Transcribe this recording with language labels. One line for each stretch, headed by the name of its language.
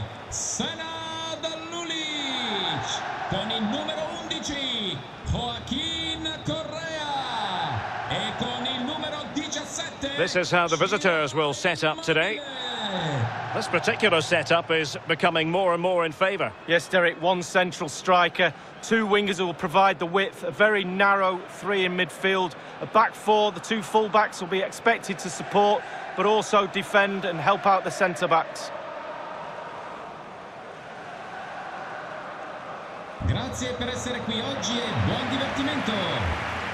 Italian: Sana Dallulic con il numero 11 Joaquin Correa e con il numero 17.
English: This is how the visitors will set up today. This particular setup is becoming more and more in favour. Yes, Derek, one central striker, two wingers who will provide the width, a very narrow three in midfield, a back four, the two fullbacks will be expected to support but also defend and help out the centre backs.
Italian: Grazie per essere qui oggi e buon divertimento.